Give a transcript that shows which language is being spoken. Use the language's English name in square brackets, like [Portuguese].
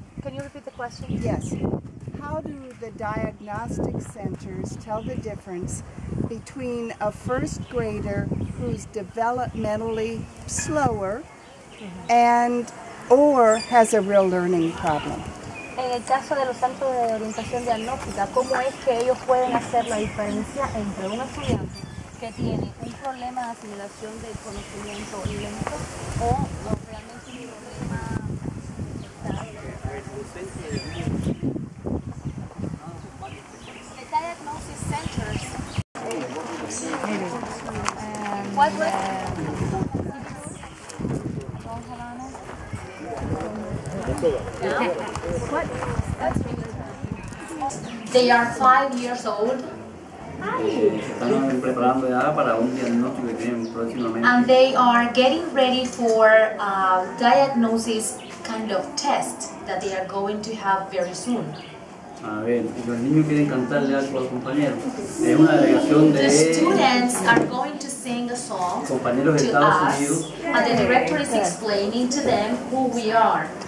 [English] Can you repeat the question? Yes. How do the diagnostic centers tell the difference between a first grader who's developmentally slower and or has a real learning problem? [Spanish] En el caso de los centros de orientación diagnóstica, ¿cómo es que ellos pueden hacer la diferencia entre un estudiante que tiene un problema de asimilación de conocimiento lento o no, realmente un problema de [English] diagnosis centers? They are 5 years old. And they are getting ready for a diagnosis kind of test that they are going to have very soon. [Spanish] A ver, los niños quieren cantarle algo a los compañeros. Es una delegación de [English] The students are going to sing sing a song to us, and the director is explaining to them who we are.